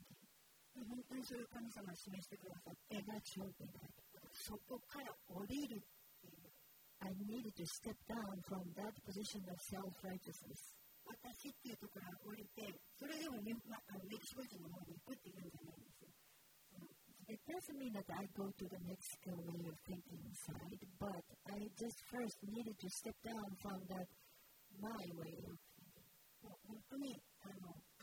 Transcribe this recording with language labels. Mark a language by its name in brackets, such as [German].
[Japanese] て本当にそれを神様が示してくださってが頂点だそこから降りるっていう [English] I needed to step down from that position of self-righteousness [Japanese] 私っていうところが降りてそれでも、まあ、メキシコ人の方に行くっていうんじゃないんですよ [English] It doesn't mean that I go to the Mexico way of thinking side, but I just first needed to step down from that my way of